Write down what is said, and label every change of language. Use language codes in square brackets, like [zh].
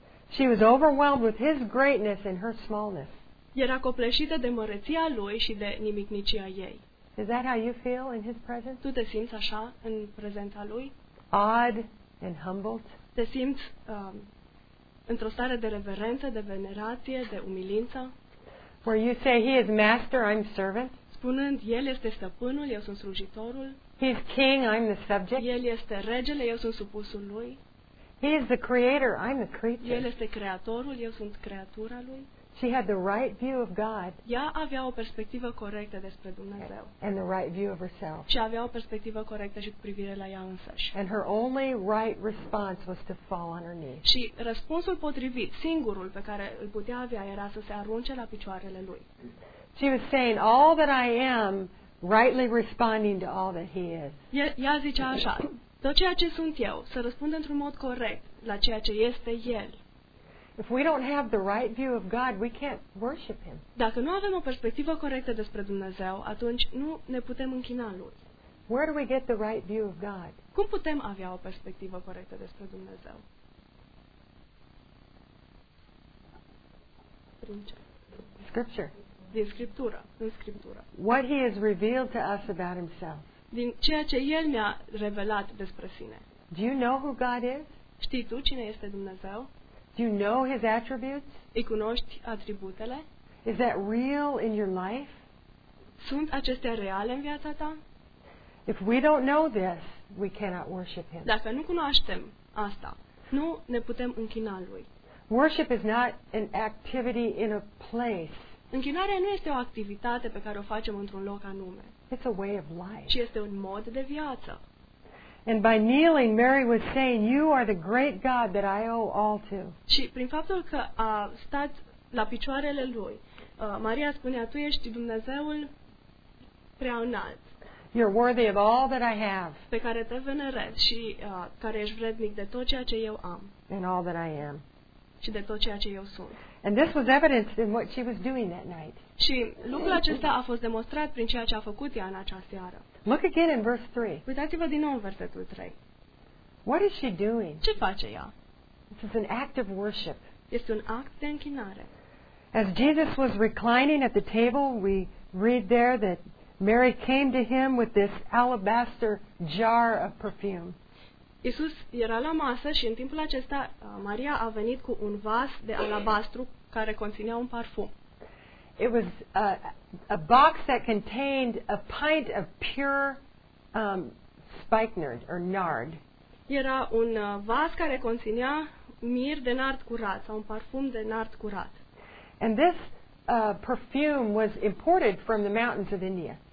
[en] She was overwhelmed with his greatness and her smallness. [ro] Era copleșită de măreția lui și de nimicnicia ei. [en] Is that how you feel in his presence? [ro] Tu te simți așa în prezența lui? [en] Awed and humbled? [ro] Te simți într-o stare de reverență, de venerație, de umilință? [en] Where you say he is master, I'm servant? [ro] Spunând el este stăpânul, eu sunt slujitorul. [en] He is king, I'm the subject. [ro] El este regele, eu sunt supusul lui. [en] He is the creator, I'm the creature. [ro] El este creatorul, eu sunt creatura lui. [en] She had the right view of God. [ro] Ea avea o perspectivă corectă despre Dumnezeu. [en] And the right view of herself. [ro] Și avea o perspectivă corectă și cu privire la ea însăși. [en] And her only right response was to fall on her knees. [ro] Și răspunsul potrivit, singurul pe care îl putea avea, era să se arunce la picioarele lui. [en] She was saying, all that I am, rightly responding to all that he is. [ro] Ea zicea așa, tot ceea ce sunt eu, să răspund într-un mod corect la ceea ce este el. [en] If we don't have the right view of God, we can't worship him. [ro] Dacă nu avem o perspectivă corectă despre Dumnezeu, atunci nu ne putem închina lui. [en] Where do we get the right view of God? [ro] Cum putem avea o perspectivă corectă despre Dumnezeu? Prin ce? [en] Scripture. [ro] Din Scriptură, în Scriptură. [en] What he has revealed to us about himself. [ro] Din ceea ce el ne-a revelat despre sine. [en] Do you know who God is? [ro] Știi tu cine este Dumnezeu? [en] Do you know his attributes? [ro] Îi cunoști atributele? [en] Is that real in your life? [ro] Sunt acestea reale în viața ta? [en] If we don't know this, we cannot worship him. [ro] Dacă nu cunoaștem asta, nu ne putem închina lui. [en] Worship is not an activity in a place. [ro] Închinarea nu este o activitate pe care o facem într-un loc anume. [en] It's a way of life. [ro] Ci este un mod de viață. [en] And by kneeling, Mary was saying, "You are the great God that I owe all to." [ro] Și prin faptul că a stat la picioarele lui, Maria spunea, "Tu ești Dumnezeul prea înalt." [en] You're worthy of all that I have. [ro] Pe care te venerez și care ești vrednic de tot ceea ce eu am. [en] And all that I am. [ro] Și de tot ceea ce eu sunt. [en] And this was evidenced in what she was doing that night. [ro] Și lucrul acesta a fost demonstrat prin ceea ce a făcut ea în acea seară. [en] Look again in verse 3. [ro] Uitați-vă din nou în versetul 3. [en] What is she doing? [ro] Ce face ea? [en] This is an act of worship. [ro] Este un act de închinare. [en] As Jesus was reclining at the table, we read there that Mary came to him with this alabaster jar of perfume. [ro] Iisus era la masă și în timpul acesta Maria a venit cu un vas de alabastru care conținea un parfum. [en] It was a box that contained a pint of pure spikenard or nard. [ro] Era un vas care conținea mir de nard curat sau un parfum de nard curat. [en] And this perfume was imported from the mountains of India.